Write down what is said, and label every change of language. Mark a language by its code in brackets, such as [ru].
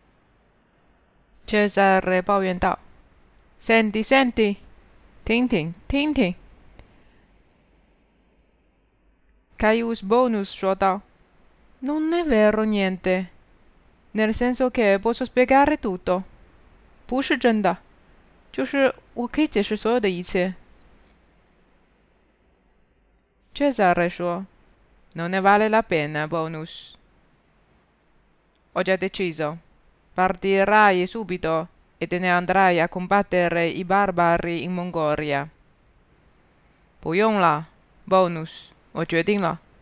[zh] 形容词，无敌的、不可战胜的。Cesare 抱怨道： [it] “Senti, senti， [zh] 听听，听听。” Caius Bonus 说道, [it] Non è vero niente, nel senso che posso spiegare tutto. [zh] 不是真的,就是我可以解释所有的一切。 [it] Cesare [zh] 说, [it] Non ne vale la pena, Bonus. Ho già deciso, partirai subito e te ne andrai a combattere i barbari in Mongolia. [zh] 不用了, Bonus, 我决定了。